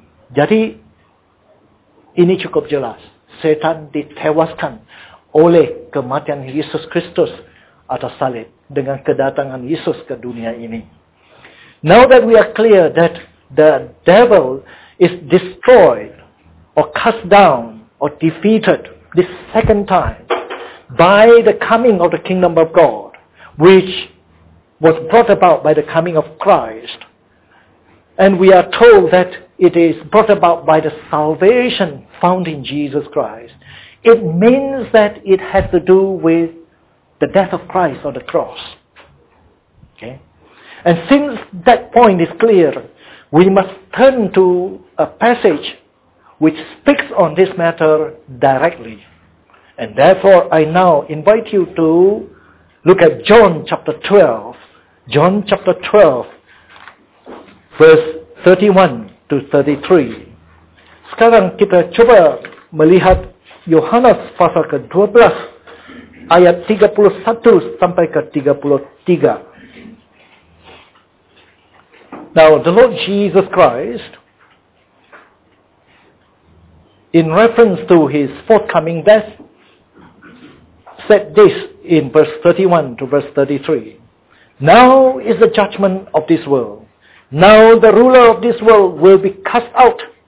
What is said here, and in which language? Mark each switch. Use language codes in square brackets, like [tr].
[id] Jadi ini cukup jelas, setan ditewaskan oleh kematian Yesus Kristus atas salib dengan kedatangan Yesus ke dunia ini. [en] Now that we are clear that the devil is destroyed or cast down or defeated this second time by the coming of the kingdom of God, which was brought about by the coming of Christ, and we are told that it is brought about by the salvation found in Jesus Christ, it means that it has to do with the death of Christ on the cross. Okay? And since that point is clear, we must turn to a passage which speaks on this matter directly. And therefore, I now invite you to look at John chapter 12. John chapter 12, verse 31 to 33. [id] Sekarang kita coba melihat Yohanes pasal ke-12, ayat 31 sampai ke-33. [en] Now, the Lord Jesus Christ, in reference to his forthcoming death, said this in verse 31 to verse 33. Now is the judgment of this world. Now the ruler of this world will be cast out.